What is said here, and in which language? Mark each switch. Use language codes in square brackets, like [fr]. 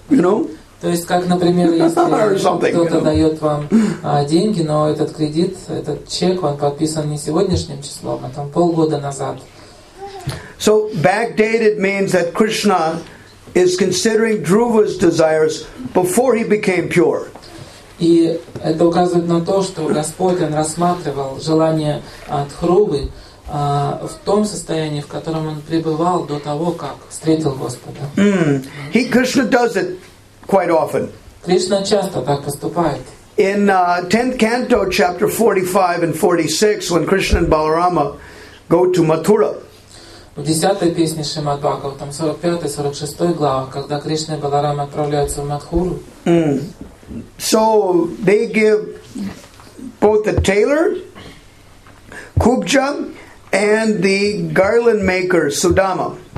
[en] You know. [ru] То есть, как, например, если кто-то дает вам деньги, но этот кредит, этот чек, он подписан не сегодняшним числом, а там полгода назад. [en] So backdated means that Krishna is considering Dhruva's desires before he became pure. [ru] И это указывает на то, что Господь он рассматривал желание Дхрувы в том состоянии, в котором он пребывал до того, как встретил Господа. [en] He Krishna does it quite often. [ru] Кришна часто так поступает. [en] In 10th canto, chapter 45 and 46, when Krishna and Balarama go to Mathura. [ru] В 10-й песне Шримад Бхагаватам, 45-й, 46-й главах, когда Кришна и Баларама отправляются в Мадхуру. [en] So they give both the tailor, Kubja, and the garland maker, Sudama.